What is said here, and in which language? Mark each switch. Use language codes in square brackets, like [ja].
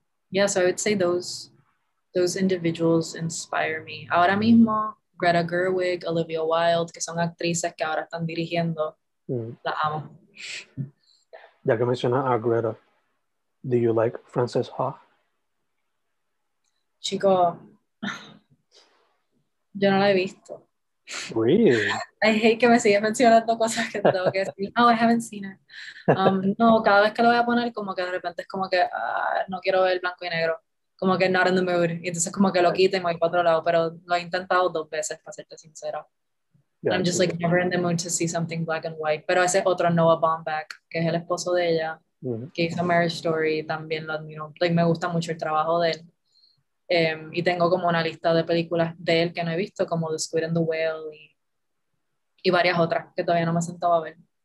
[en] Yeah, so I would say those individuals inspire me. [es] Ahora mismo, Greta Gerwig, Olivia Wilde, que son actrices que ahora están dirigiendo, las amo. Ya que mencionas a Greta, [en] do you like [es] Frances Ha? Chico, yo no la he visto. [en] Really? I hate [es] que me sigas mencionando cosas que tengo que decir. No, [en] I haven't seen it. [es] No, cada vez que lo voy a poner, como que de repente es como que no quiero ver blanco y negro. Como que [en] not in the mood. [es] Y entonces como que lo quito y me voy para otro lado. Pero lo he intentado dos veces, para serte sincero. [en] Yeah, I'm just like never in the mood to see something black and white. [es] Pero ese otro, Noah Baumbach, que es el esposo de ella, que hizo Marriage Story, también lo admiro. [en] Like, [es] me gusta mucho el trabajo de él. Y tengo como una lista de películas de él que no he visto, como The Squid and the Whale y varias otras que todavía no me he sentado a ver.